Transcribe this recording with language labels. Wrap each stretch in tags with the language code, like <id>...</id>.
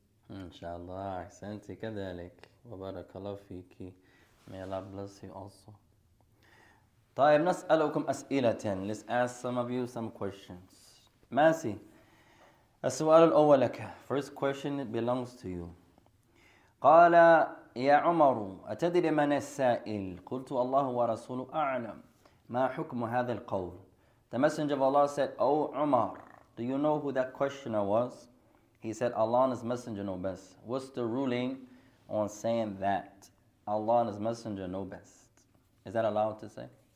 <ar>إن شاء الله أحسنتي كذلك وبارك الله فيك.</ar> <en>May Allah bless you also.</en> <ar>طيب نسألكم أسئلة.</ar> <en>Let's ask some of you some questions.</en> <ar>ماسي السؤال الأول لك.</ar> <en>First question belongs to you.</en> <ar>قال يا عمر أتدري من السائل؟ قلت الله ورسوله أعلم. ما حكم هذا القول؟</ar> <en>The messenger of Allah said, O Umar, do you know who that questioner was? He said, Allah and His Messenger know best. What's the ruling on saying that? Allah and His Messenger know best. Is that allowed to say? Yeah.</en>